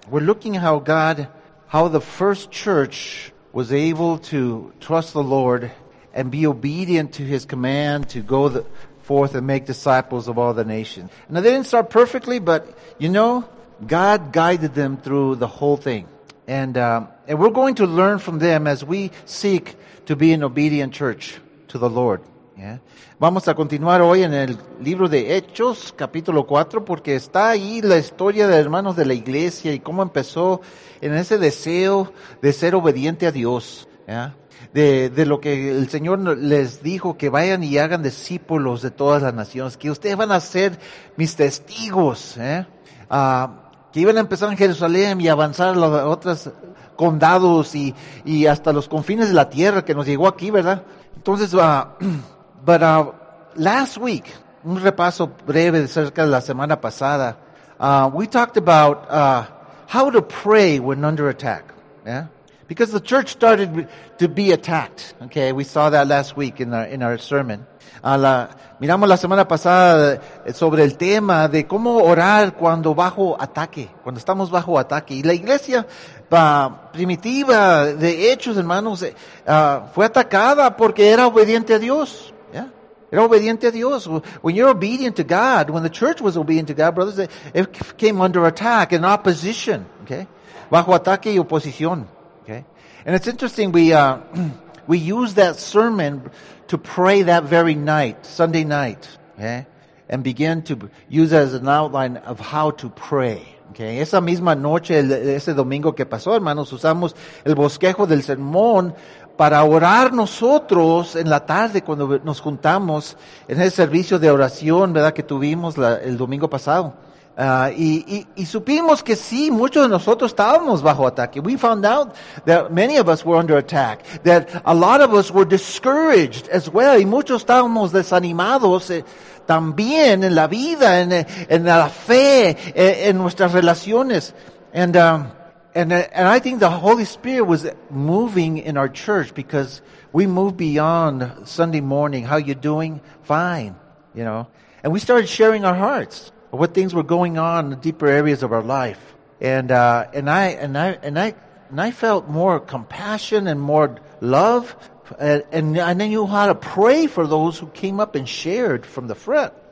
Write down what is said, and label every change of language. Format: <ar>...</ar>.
<en>We're looking at how the first church was able to trust the Lord and be obedient to His command to go forth and make disciples of all the nations. Now, they didn't start perfectly, but you know, God guided them through the whole thing. And we're going to learn from them as we seek to be an obedient church to the Lord. Yeah.</en> <es>Vamos a continuar hoy en el libro de Hechos, capítulo 4, porque está ahí la historia de hermanos de la iglesia y cómo empezó en ese deseo de ser obediente a Dios, yeah. De lo que el Señor les dijo, que vayan y hagan discípulos de todas las naciones, que ustedes van a ser mis testigos, que iban a empezar en Jerusalén y avanzar a las otras condados y hasta los confines de la tierra que nos llegó aquí, ¿verdad? Entonces,</es> <en>last week,</en> <es>un repaso breve acerca de la semana pasada,</es> <en>we talked about how to pray when under attack, yeah? Because the church started to be attacked, okay? We saw that last week in our sermon.</en> <es>Miramos la semana pasada sobre el tema de cómo orar cuando bajo ataque, cuando estamos bajo ataque. Y la iglesia primitiva, de hechos, hermanos, fue atacada porque era obediente a Dios. Yeah? Era obediente a Dios.</es> <en>When you're obedient to God, when the church was obedient to God, brothers, it came under attack and opposition, okay?</en> <es>Bajo ataque y oposición.</es> <en>And it's interesting, we used that sermon to pray that very night, Sunday night, okay? And began to use it as an outline of how to pray, okay?</en> <es>Esa misma noche, ese domingo que pasó, hermanos, usamos el bosquejo del sermón para orar nosotros en la tarde cuando nos juntamos en el servicio de oración, ¿verdad?, que tuvimos el domingo pasado. Y supimos que sí, muchos de nosotros estábamos bajo ataque.</es> <en>We found out that many of us were under attack, that a lot of us were discouraged as well,</en> <es>y muchos estábamos desanimados también en la vida, en la fe, en nuestras relaciones.</es> <en>And I think the Holy Spirit was moving in our church because we moved beyond Sunday morning. How you doing? Fine, you know. And we started sharing our hearts. What things were going on in the deeper areas of our life, and I felt more compassion and more love, and I knew how to pray for those who came up and shared from the front.</en>